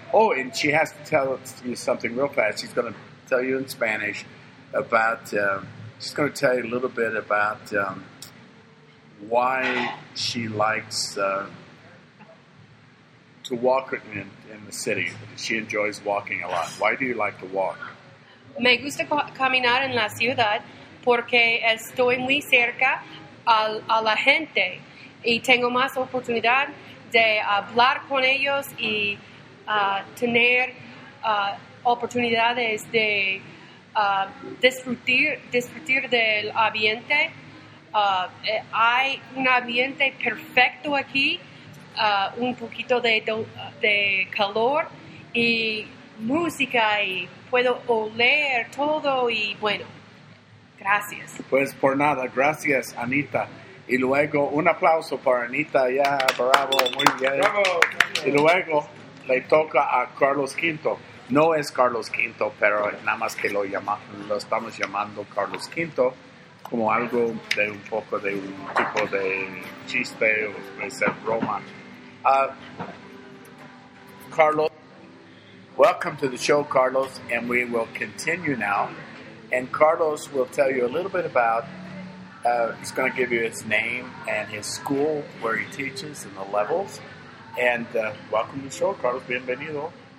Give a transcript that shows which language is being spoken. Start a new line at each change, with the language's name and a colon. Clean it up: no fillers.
English: Oh, and she has to tell you something real fast. She's going to tell you in Spanish about, she's going to tell you a little bit about why she likes to walk in the city. She enjoys walking a lot. Why do you like to walk?
Spanish: Me gusta caminar en la ciudad porque estoy muy cerca a la gente. Y tengo más oportunidad de hablar con ellos y tener oportunidades de disfrutar del ambiente. Hay un ambiente perfecto aquí, un poquito de calor y música, y puedo oler todo y bueno, gracias. Pues por nada, gracias Anita. Y luego, un aplauso para Anita, ya, yeah, bravo, muy bien. Bravo. Y luego, le toca a Carlos Quinto. No es Carlos Quinto, pero nada más que lo estamos llamando Carlos Quinto, como algo de un poco de un tipo de chiste, o puede ser broma.
English: Carlos, welcome to the show, Carlos, and we will continue now. And Carlos will tell you a little bit about He's going to give you his name and his school where he teaches and the levels. And welcome to the show, Carlos. Bienvenido.